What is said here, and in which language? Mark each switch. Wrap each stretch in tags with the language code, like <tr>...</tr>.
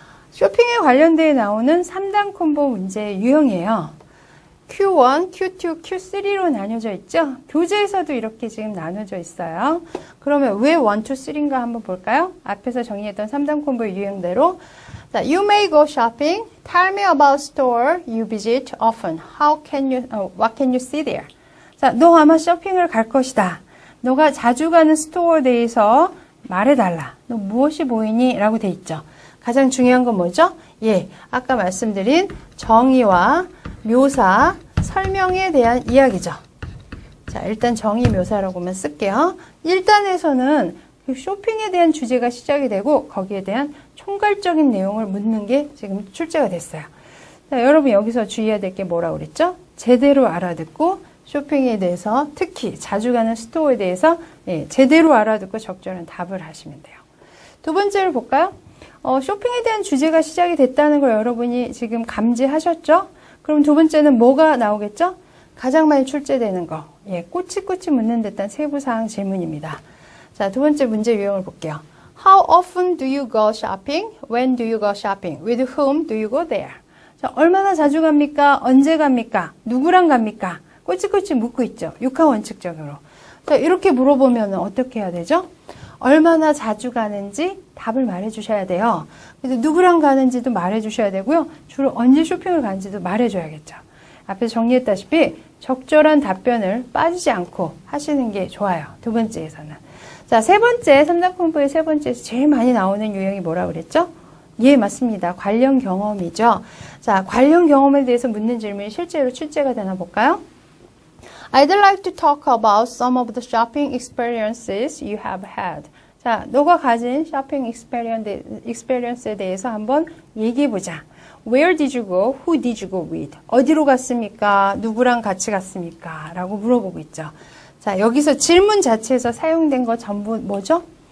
<ko>쇼핑에 관련되어 나오는 3단 콤보 문제 유형이에요. Q1, Q2, Q3로 나뉘어져 있죠? 교재에서도 이렇게 지금 나누어져 있어요. 그러면 왜 1, 2, 3인가 한번 볼까요? 앞에서 정의했던 3단 콤보 유형대로.</ko> <en>자, You may go shopping. Tell me about store you visit often. What can you see there?</en> <ko>자, 너 아마 쇼핑을 갈 것이다. 너가 자주 가는 스토어에 대해서 말해달라. 너 무엇이 보이니? 라고 돼 있죠. 가장 중요한 건 뭐죠? 예, 아까 말씀드린 정의와 묘사, 설명에 대한 이야기죠. 자, 일단 정의 묘사라고만 쓸게요. 1단에서는 그 쇼핑에 대한 주제가 시작이 되고 거기에 대한 총괄적인 내용을 묻는 게 지금 출제가 됐어요. 자, 여러분 여기서 주의해야 될 게 뭐라고 그랬죠? 제대로 알아듣고 쇼핑에 대해서 특히 자주 가는 스토어에 대해서 제대로 알아듣고 적절한 답을 하시면 돼요. 두 번째를 볼까요? 쇼핑에 대한 주제가 시작이 됐다는 걸 여러분이 지금 감지하셨죠? 그럼 두 번째는 뭐가 나오겠죠? 가장 많이 출제되는 거. 예, 꼬치꼬치 묻는 듯한 세부사항 질문입니다. 자, 두 번째 문제 유형을 볼게요.</ko> <en>How often do you go shopping? When do you go shopping? With whom do you go there?</en> <ko>자, 얼마나 자주 갑니까? 언제 갑니까? 누구랑 갑니까? 꼬치꼬치 묻고 있죠. 육항 원칙적으로. 자, 이렇게 물어보면 어떻게 해야 되죠? 얼마나 자주 가는지 답을 말해주셔야 돼요. 그래서 누구랑 가는지도 말해주셔야 되고요. 주로 언제 쇼핑을 가는지도 말해줘야겠죠. 앞에서 정리했다시피 적절한 답변을 빠지지 않고 하시는 게 좋아요. 두 번째에서는. 자, 세 번째, 3단 콤보의 세 번째에서 제일 많이 나오는 유형이 뭐라고 그랬죠? 예, 맞습니다. 관련 경험이죠. 자, 관련 경험에 대해서 묻는 질문이 실제로 출제가 되나 볼까요?</ko> <en>I'd like to talk about some of the shopping experiences you have had.</en> <ko>자, 너가 가진 shopping experience에 대해서 한번 얘기해보자.</ko> <en>Where did you go? Who did you go with?</en> <ko>어디로 갔습니까? 누구랑 같이 갔습니까? 라고 물어보고 있죠. 자, 여기서 질문 자체에서 사용된 거 전부 뭐죠?</ko>